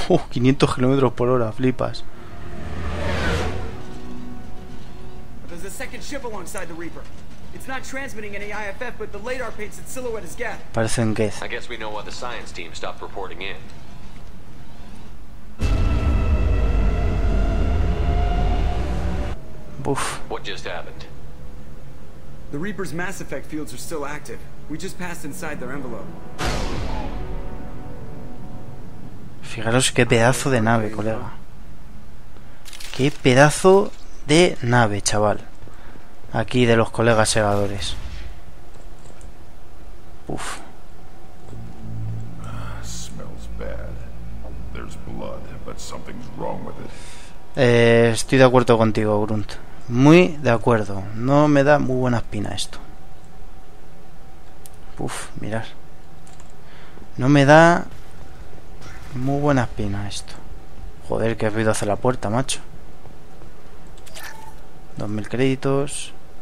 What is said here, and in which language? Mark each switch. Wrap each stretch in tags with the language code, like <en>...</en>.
<es>500 kilómetros por hora, flipas.</es> <en>There's a second ship alongside the Reaper. It's not transmitting any IFF, but the LADAR paints its silhouette as Geth.</en> <es>Parecen Geth.</es> <en>I guess we know why the science team stopped reporting in. Oof. What just happened? The Reaper's mass effect fields are still active. We just passed inside their envelope.</en> <es>Fijaros qué pedazo de nave, colega. Qué pedazo de nave, chaval. Aquí de los colegas segadores. Uf.</es> <en>Smells bad. There's blood, but something's wrong with it.</en> <es>Estoy de acuerdo contigo, Grunt. Muy de acuerdo. No me da muy buena espina esto. Uf, mirad. No me da muy buena espina esto. Joder, qué ruido hace la puerta, macho. 2.000 créditos.</es>